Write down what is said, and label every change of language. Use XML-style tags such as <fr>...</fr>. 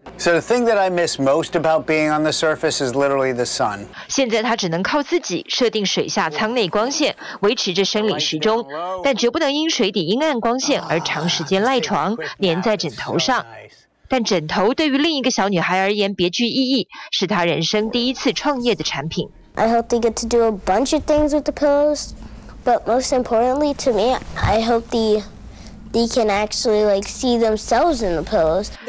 <en>So the thing that I miss most about being on the surface is literally the sun.</en> <zh>现在她只能靠自己设定水下舱内光线，维持着生理时钟，但绝不能因水底阴暗光线而长时间赖床，粘在枕头上。但枕头对于另一个小女孩而言别具意义，是她人生第一次创业的产品。</zh> <en>I hope they get to do a bunch of things with the pillows, but most importantly to me, I hope they can actually like see themselves in the pillows.</en>